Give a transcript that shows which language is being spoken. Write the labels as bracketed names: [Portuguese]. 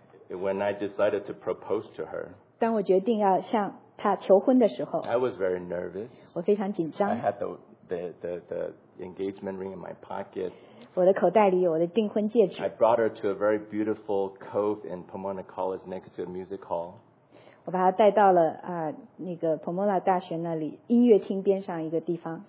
[English] When I decided to propose to her, [Chinese] 当我决定要向她求婚的时候， [English] I was very nervous. [Chinese] 我非常紧张。 [English] I had the engagement ring in my pocket. [Chinese] 我的口袋里有我的订婚戒指。 [English] I brought her to a very beautiful cove in Pomona College next to a music hall. [Chinese] 我把她带到了那个 Pomona 大学那里音乐厅边上一个地方。